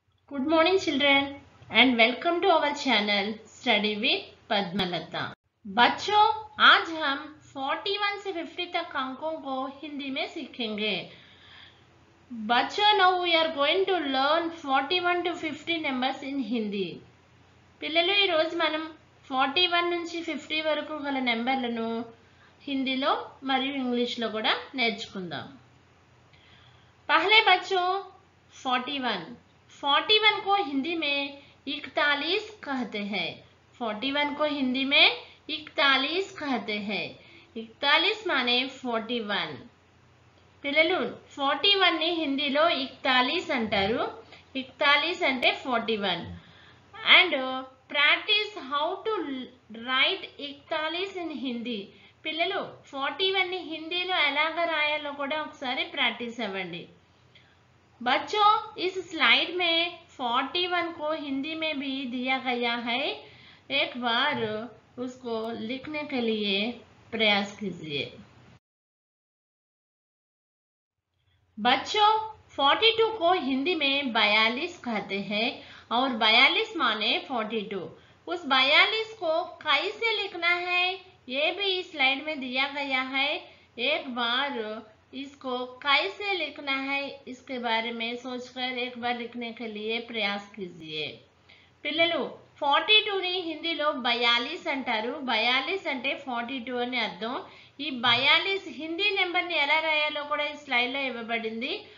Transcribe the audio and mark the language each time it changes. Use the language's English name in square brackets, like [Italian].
[English] Good morning, children, and welcome to our channel Study with Padmalata. [Hindi] बच्चों, आज हम 41 से 50 तक अंकों को हिंदी में सीखेंगे. [English] बच्चों, now we are going to learn 41 to 50 numbers in Hindi. [Telugu] పిల్లలు, ఈ రోజు మనం 41 నుంచి 50 వరకు గల నంబర్లను హిందీలో మరియు ఇంగ్లీష్లో కూడా నేర్చుకుందాం. [Hindi] पहले बच्चों 41 को हिंदी में 41 कहते हैं. 41 को हिंदी में 41 कहते हैं. 41 माने 41. [Telugu] పిల్లలు 41 ని హిందీలో 41 అంటారు. 41 అంటే 41. [English] And practice how to write 41 in Hindi. [Telugu] పిల్లలు 41 ని హిందీలో ఎలా రాయాలో కూడా ఒకసారి ప్రాక్టీస్ అవ్వండి. [Hindi] बच्चों, इस स्लाइड में 41 को हिंदी में भी दिया गया है. एक बार उसको लिखने के लिए प्रयास कीजिए. बच्चों, 42 को हिंदी में 42 कहते हैं और 42 माने 42. उस 42 को कैसे लिखना है ये भी इस स्लाइड में दिया गया है. एक बार इसको कैसे लिखना है इसके बारे में सोचकर एक बार लिखने के लिए प्रयास कीजिए. [Telugu] पिल्ललु 42 ని హిందీలో 42 అంటారు. 42 అంటే 42 అని అర్థం. ఈ 42 హిందీ నంబర్ ని ఎలా రాయాలో కూడా ఈ స్లైడ్ లో ఇవ్వబడింది.